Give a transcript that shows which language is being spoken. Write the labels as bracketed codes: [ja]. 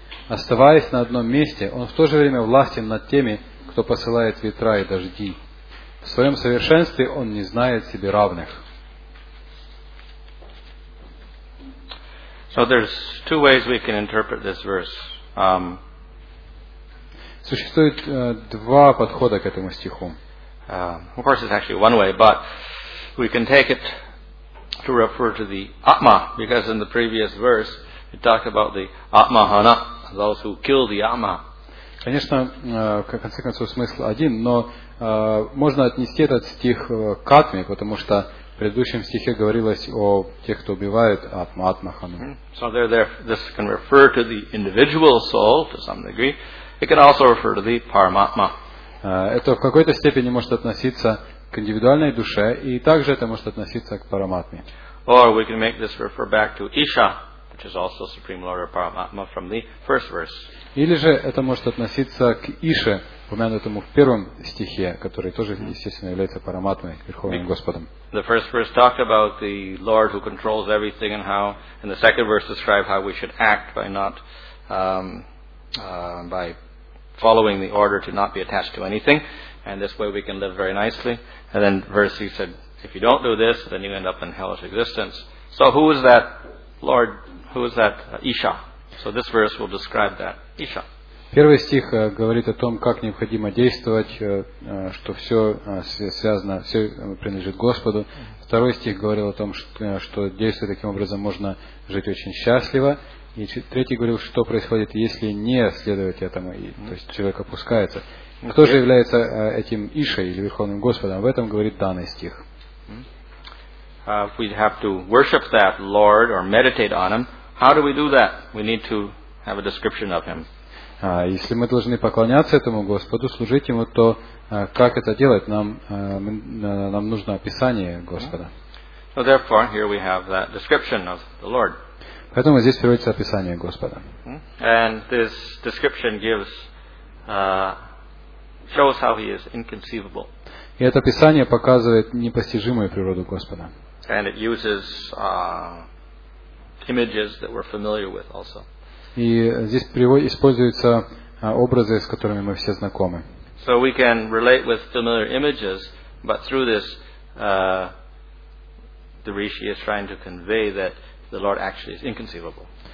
[ru] Оставаясь на одном месте, Он в то же время властен над теми, кто посылает ветра и дожди. В своем совершенстве Он не знает себе равных. [en] So there's two ways we can interpret this verse. [ru] Существует два подхода к этому стиху. [en] Of course, it's actually one way, but we can take it to refer to the Atma, because in the previous verse it talked about the Atmahana, those who kill the Atma. [ru] Конечно, в конце концов смысл один, но можно отнести этот стих к Атме, потому что в предыдущем стихе говорилось о тех, кто убивает Атма, Атмахану. [en] So there, this can refer to the individual soul to some degree. It can also refer to the Paramatma. [ru] Это в какой-то степени может относиться к индивидуальной душе, и также это может относиться к Параматме. [en] Or we can make this refer back to Isha, which is also Supreme Lord of Paramatma from the first verse. [ru] Или же это может относиться к Ише, упомянутому в первом стихе, который тоже, естественно, является Параматмой, Верховным Господом. [en] The first verse talked about the Lord who controls everything and how, and the second verse described how we should act by not by following the order to not be attached to anything, and this way we can live very nicely. And then verse 3 said, if you don't do this, then you end up in hellish existence. So who is that Lord? Who is that Isha? So this verse will describe that Isha. [ru] Первый стих говорит о том, как необходимо действовать, что все связано, все принадлежит Господу. Второй стих говорил о том, что действуя таким образом можно жить очень счастливо. И третий говорил, что происходит, если не следовать этому, то есть человек опускается. Кто же является этим Ишей или Верховным Господом? В этом говорит данный стих. [en] We have to worship that Lord or meditate on him. How do we do that? We need to have a description of him. [ru] Если мы должны поклоняться этому Господу, служить ему, то как это делать? Нам нужно описание Господа. [en] So therefore, here we have that description of the Lord. [ru] Поэтому здесь приводится описание Господа. [en] And this description gives, shows how he is inconceivable. [ru] И это описание показывает непостижимую природу Господа. [en] And it uses images that we're familiar with also. [ru] И здесь используются образы, с которыми мы все знакомы. [en] So we can relate with familiar images, but through this, the Rishi is trying to convey that the Lord actually is inconceivable.